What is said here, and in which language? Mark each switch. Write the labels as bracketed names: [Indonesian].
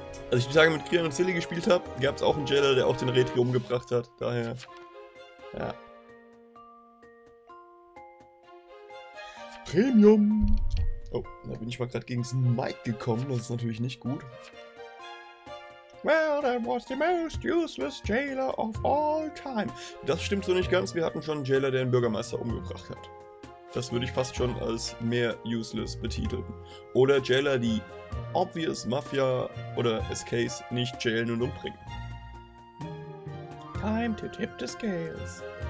[German] Als ich die Tage mit Kieran und Silly gespielt habe, gab es auch einen Jailer, der auch den Retri umgebracht hat. Daher. Ja. Premium! Oh, da bin ich mal gerade gegen das Mic gekommen, das ist natürlich nicht gut. [English] Well, that was the most useless jailer of all time. [German] Das stimmt so nicht ganz, wir hatten schon einen Jailer, der einen Bürgermeister umgebracht hat. Das würde ich fast schon als mehr useless betiteln. Oder Jailer, die obvious Mafia oder SKs nicht jailen und umbringen. [English] Time to tip the scales.